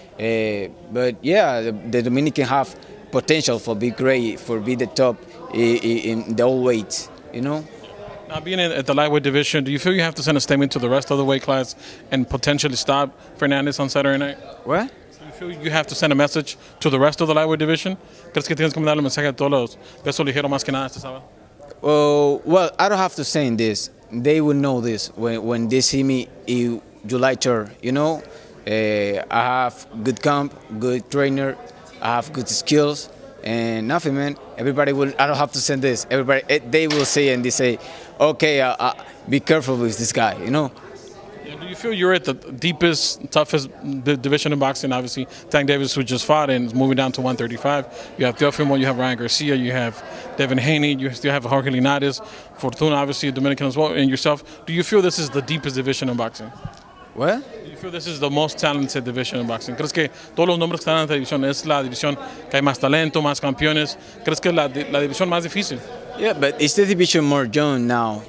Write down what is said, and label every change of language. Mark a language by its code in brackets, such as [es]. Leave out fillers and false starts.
[en] But yeah, the Dominican have potential for be great, for be the top in the old weights, you know. Now, being at the lightweight division, do you feel you have to send a statement to the rest of the weight class and potentially stop Fernandez on Saturday night? What? You have to send a message to the rest of the lightweight division? [es] ¿Crees que tienes que mandar un mensaje a todos los pesos ligeros más que nada este sábado? [en] Well, I don't have to say this. They will know this when they see me in July 3rd. You know, I have good camp, good trainer, I have good skills, and nothing, man. Everybody will, I don't have to say this. Everybody, they will say, and they say, okay, be careful with this guy, you know. Do you feel you're at the deepest, toughest division in boxing? Obviously, Tank Davis, who just fought and is moving down to 135. You have Teofimo, you have Ryan Garcia, you have Devin Haney, you still have Jorge Linares, Fortuna, obviously, a Dominican as well, and yourself. Do you feel this is the deepest division in boxing? What? Do you feel this is the most talented division in boxing? [es] ¿Crees que todos los nombres que están en esta división es la división que hay más talento, más campeones? ¿Crees que es la división más difícil? [en] Yeah, but it's the division more young now.